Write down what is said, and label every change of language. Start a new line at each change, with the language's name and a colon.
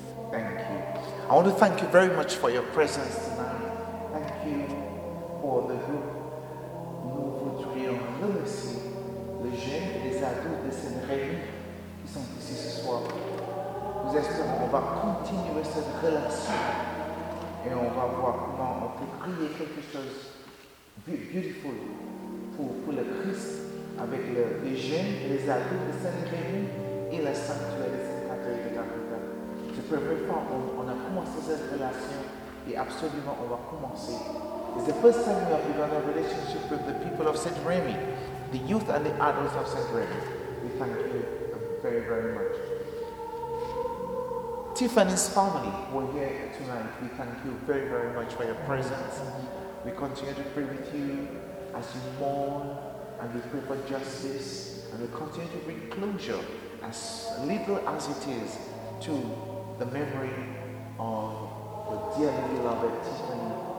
English: Thank you very much for your presence tonight. Thank you for the group.
French: Nous voudrions remercier les jeunes et les adultes de cette réunion qui sont ici ce soir. Nous espérons qu'on va continuer cette relation et on va voir comment on peut créer quelque chose de beautiful pour le Christ avec les jeunes et les adultes de cette réunion et la sanctuaire de cette cathédrale de Capita. C'est la première fois qu'on a commencé cette relation et absolument on va commencer.
English: It's the first time we have begun a relationship with the people of St. Remy, the youth and the adults of St. Remy. We thank you very, very much. Tiffany's family were here tonight. We thank you very, very much for your presence. We continue to pray with you as you mourn and we pray for justice and we continue to bring closure as little as it is to the memory of the dearly beloved Tiffany